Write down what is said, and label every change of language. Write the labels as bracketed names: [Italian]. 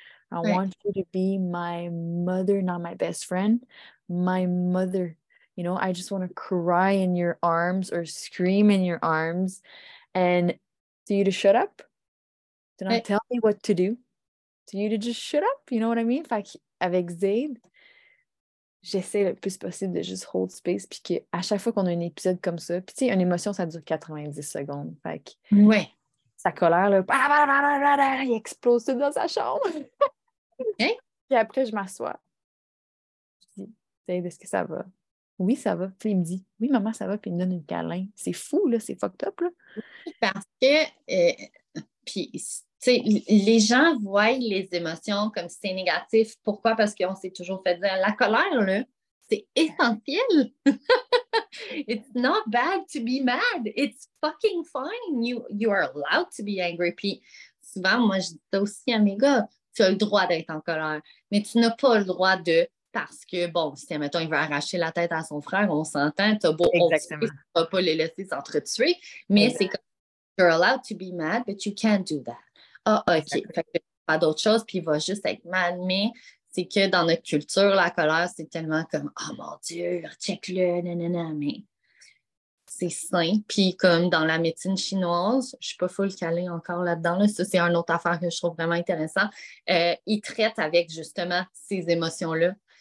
[English] I want you to be my mother, not my best friend. My mother. You know, I just want to cry in your arms or scream in your arms and to you to shut up. did not tell me what to do. So you did just shut up, you know what I mean? [French] Fait qu'avec Zayd, j'essaie le plus possible de juste [English] hold space, [French] puis qu'à chaque fois qu'on a un épisode comme ça, puis tu sais, une émotion, ça dure 90 secondes. Fait que ouais. Sa colère, là, il explose tout dans sa chambre. Hein? Puis après, je m'assois. Je dis, Zayd, est-ce que ça va? Oui, ça va. Puis il me dit, oui, maman, ça va, puis il me donne un câlin. C'est fou, là, c'est fucked up, là. Parce que, puis, tu sais, les gens voient les émotions comme si c'est négatif. Pourquoi? Parce qu'on s'est toujours fait dire, la colère, là, c'est essentiel. [English] It's not bad to be mad. It's fucking fine. You are allowed to be angry. [French] Puis souvent, moi, je dis aussi à mes gars, tu as le droit d'être en colère, mais tu n'as pas le droit de... Parce que, bon, si, mettons, il veut arracher la tête à son frère, on s'entend, t'as beau... Exactement. On va pas les laisser s'entretuer, mais exactement. C'est comme, [English] you're allowed to be mad, but you can't do that. [French] Ah, OK. Fait que, pas d'autre chose, puis il va juste être mad, mais c'est que dans notre culture, la colère, c'est tellement comme, oh mon Dieu, check-le, nanana, mais c'est sain. Puis comme dans la médecine chinoise, je suis pas full calée encore là-dedans, là. Ça, c'est une autre affaire que je trouve vraiment intéressante, ils traitent avec, justement, ces émotions-là.